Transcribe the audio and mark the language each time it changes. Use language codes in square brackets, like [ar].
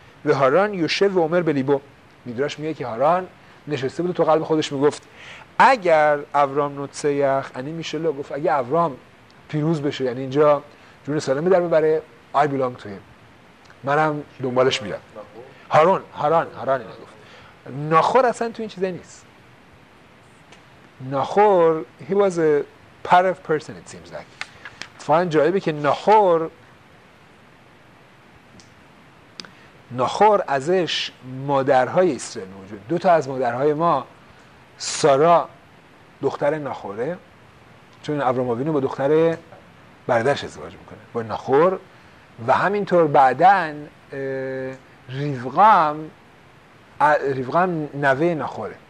[fa] و هاران یوشف و عمر بلیبو، میدراش میگه که هاران نشسته بود تو قلب خودش میگفت اگر ابرام [he] نوتسه یخ انی میشلو، [fa] گفت اگر ابرام پیروز بشه، یعنی اینجا جون سالمه در ببره، [en] I belong to him، [fa] منم دنبالش میرم. هاران اینه گفت. ناخور اصلا تو این چیزه نیست. ناخور [en] he was a part of person it seems like. [fa] اتفاقا جالبه که ناخور ازش مادرهای اسرائیل موجود. دو تا از مادرهای ما، سارا دختر ناخوره، چون ابرام‌آوینو با دختر برادرش ازدواج میکنه با ناخور، و همینطور بعدن ریوغام نوه ناخوره.